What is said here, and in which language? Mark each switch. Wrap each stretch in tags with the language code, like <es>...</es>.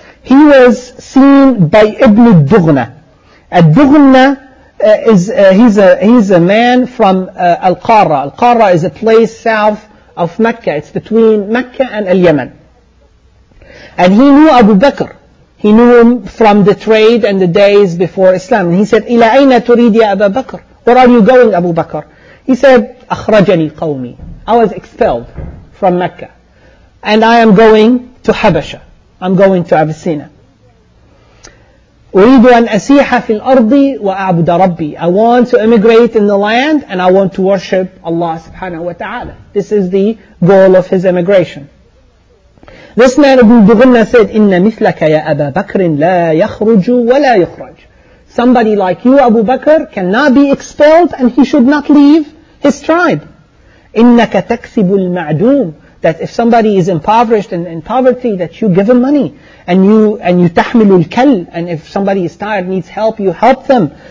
<en>He was seen by Ibn al-Dughna. Al-Dughna he's a man from Al-Qarra. Al-Qarra is a place south of Mecca. It's between Mecca and Al-Yemen. And he knew Abu Bakr. He knew him from the trade and the days before Islam. And he said,</en> <ar>إِلَىٰ أَيْنَ تُرِيدْ يَا أَبَا بَكْر?</ar> <en>Where are you going, Abu Bakr? He said,</en> <ar>أَخْرَجَنِي قَوْمِي.</ar> <en>I was expelled from Mecca. And I am going to Habasha. I'm going to Abyssinia.</en> <ar>أريد أن أسيح في الأرض وأعبد ربي.</ar> <en>I want to emigrate in the land and I want to worship Allah subhanahu wa ta'ala. This is the goal of his emigration. This man Ibn Dughna said,</en> <ar>إِنَّ مِثْلَكَ يَا أَبَا بَكْرٍ لَا يَخْرُجُ وَلَا يُخْرَجُ.</ar> <en>Somebody like you, Abu Bakr, cannot be expelled and he should not leave his tribe.</en> <ar>إِنَّكَ تَكْسِبُ الْمَعْدُومِ.</ar> <en>That if somebody is impoverished and in poverty, that you give him money. And you</en> <ar>تحمل الكل.</ar> <en>And if somebody is tired, needs help, you help them.</en>